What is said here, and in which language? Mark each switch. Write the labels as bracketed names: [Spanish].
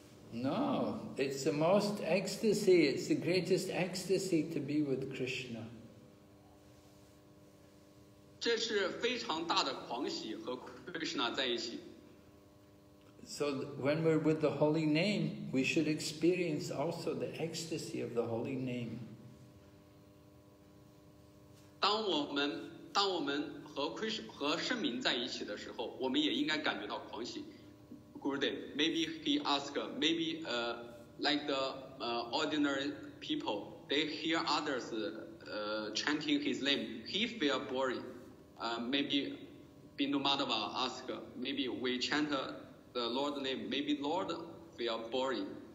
[English] No, it's the most ecstasy, it's the greatest ecstasy to be with Krishna. [Chinese] 这是非常大的狂喜和 Krishna 在一起。 [English] So when we're with the holy name, we should experience also the ecstasy of the holy name. [Chinese] 当我们和圣明在一起的时候，我们也应该感觉到狂喜。 [English] Gurudev, maybe he asked, maybe like the ordinary people, they hear others chanting his name, he feel boring. Maybe Bindu Madhava ask, maybe we chant the Lord's name, maybe Lord feel boring.